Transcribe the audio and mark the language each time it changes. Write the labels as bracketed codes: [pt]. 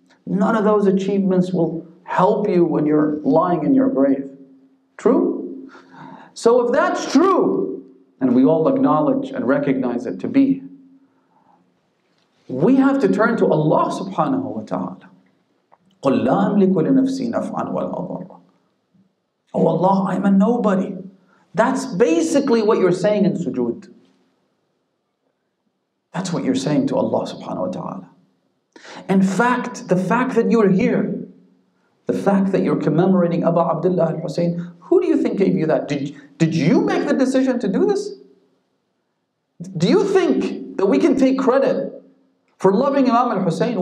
[en] None of those achievements will help you when you're lying in your grave. True? So if that's true, and we all acknowledge and recognize it to be, we have to turn to Allah subhanahu wa ta'ala. [ar] قُلْ لَا أَمْلِكُ لِنَفْسِي نَفْعًا وَلَا ضَرًّا. [en] Oh Allah, I'm a nobody. That's basically what you're saying in sujood. That's what you're saying to Allah subhanahu wa ta'ala. In fact, the fact that you're here, the fact that you're commemorating Abu Abdullah al-Hussein, who do you think gave you that? Did you make the decision to do this? Do you think that we can take credit for loving Imam al-Hussein?